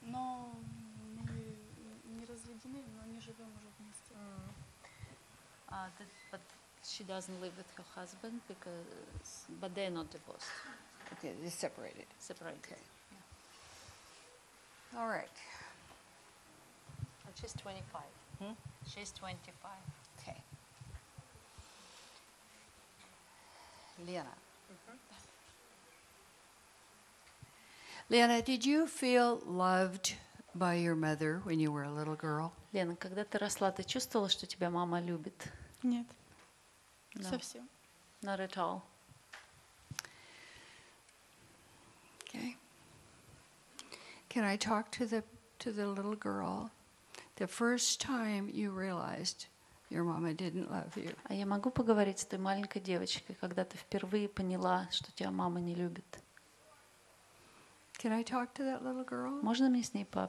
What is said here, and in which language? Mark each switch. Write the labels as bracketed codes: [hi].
[ru] Но мы не разведены, но не живем уже вместе. [en] But she doesn't live with her husband because, but they're not divorced. Okay, they're separated. Separated. Okay. All right. She's 25. Hmm? She's 25. Okay. Lena. Лена, did you feel loved by your mother when you were a little girl? [ru] Лена, когда ты росла, ты чувствовала, что тебя мама любит? Нет. [en] No. [ru] Совсем. [en] Not at all. Okay. Can I talk to the little girl? The first time you realized your mama didn't love you. [ru] А я могу поговорить с той маленькой девочкой, когда ты впервые поняла, что тебя мама не любит? [en] Can I talk to that little girl? [ru] Можно мне с ней